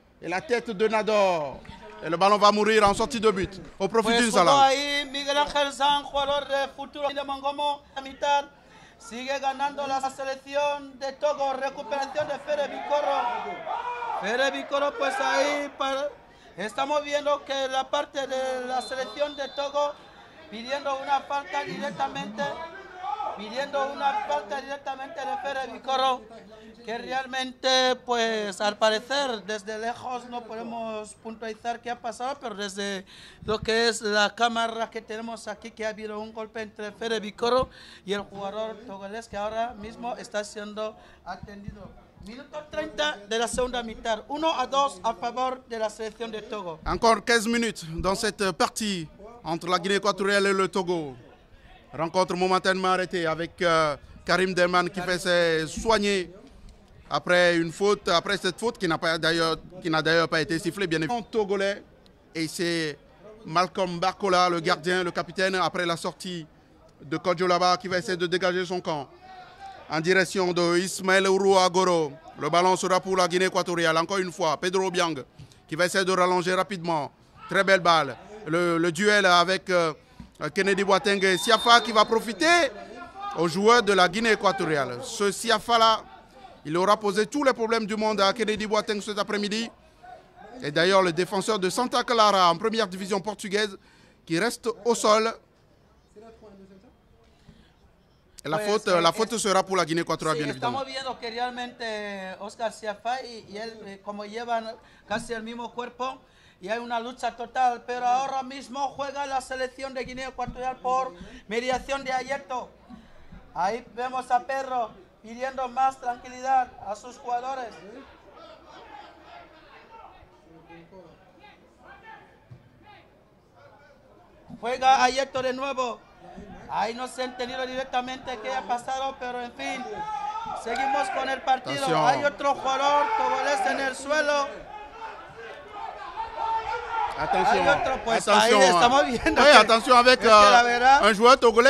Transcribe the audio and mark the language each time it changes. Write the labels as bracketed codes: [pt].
[fr] Et la tête de Nador. Et le ballon va mourir en sortie de but. Au profit du Nzala. Miguel Angel Zhang, joueur de futuro de Mongomo. Amitar. [es] Sigue ganando la selección de Togo. Recuperación de Fere Bicoro. Fere Bicoro, pues ahí. Estamos viendo que la parte de la selección de Togo pidiendo una falta directamente. Pidiendo una falta directamente de Fere Bicoro. que realmente, pues al parecer, desde lejos no podemos puntualizar qué ha pasado, pero desde lo que es la cámara que tenemos aquí, que ha habido un golpe entre Fede Vicoro y el jugador togolés, que ahora mismo está siendo atendido. Minuto 30 de la segunda mitad, 1-2 a favor de la selección de Togo. [fr] Encore 15 minutes dans cette partie entre la Guinée équatoriale et le Togo. Rencontre momentanément arrêtée avec Karim Demane qui fait ses soignés après une faute, après cette faute qui n'a d'ailleurs pas été sifflée, bien évidemment. Togolais, et c'est Malcolm Barcola, le gardien, le capitaine, après la sortie de Kodjolaba qui va essayer de dégager son camp en direction de Ismaël Ourouagoro. Le ballon sera pour la Guinée équatoriale. Encore une fois, Pedro Obiang qui va essayer de rallonger rapidement. Très belle balle. Le duel avec Kennedy Boateng et Siafa qui va profiter aux joueurs de la Guinée équatoriale. Ce Siafa-là, il aura posé tous les problèmes du monde à Kennedy Boateng cet après-midi. Et d'ailleurs, le défenseur de Santa Clara en première division portugaise qui reste au sol. La faute sera pour la Guinée équatoriale, [es] sí, [fr] bien évidemment. [es] Estamos viendo que realmente Oscar Siafa y él, como llevan casi el mismo cuerpo, y hay una lucha total, pero ahora mismo juega la selección de Guinea Ecuatorial por mediación de Ayeto. Ahí vemos a Pedro pidiendo más tranquilidad a sus jugadores. Juega Ayeto de nuevo. Ahí no se ha entendido directamente qué ha pasado, pero en fin, seguimos con el partido. Atención. Hay otro jugador togolés en el suelo. [fr] Attention, [es] pues [fr] attention. [es] Ahí estamos viendo. [fr] Oui, attention avec un joueur togolais,